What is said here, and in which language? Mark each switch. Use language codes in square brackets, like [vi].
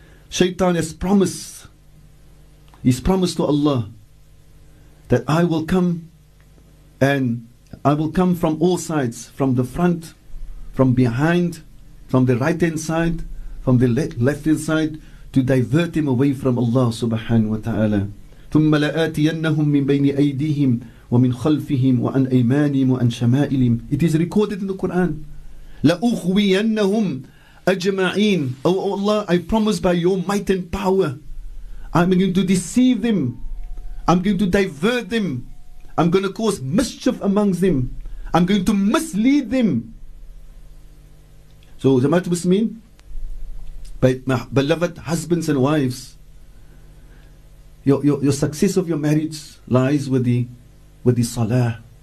[en] Shaitan has promised, he's promised to Allah that I will come from all sides, from the front, from behind, from the right hand side, from the left hand side, to divert him away from Allah subhanahu wa ta'ala. [ar] ثم لآتينهم من بين أيديهم ومن خلفهم وعن أيمانهم وعن شمائلهم. [en] It is recorded in the Quran. [ar] لأغوينهم أجمعين. [en] Oh Allah, I promise by your might and power, I'm going to deceive them. I'm going to divert them. I'm going to cause mischief amongst them. I'm going to mislead them. So, Jamaat Muslimin, beloved husbands and wives, your success of your marriage lies with the salah.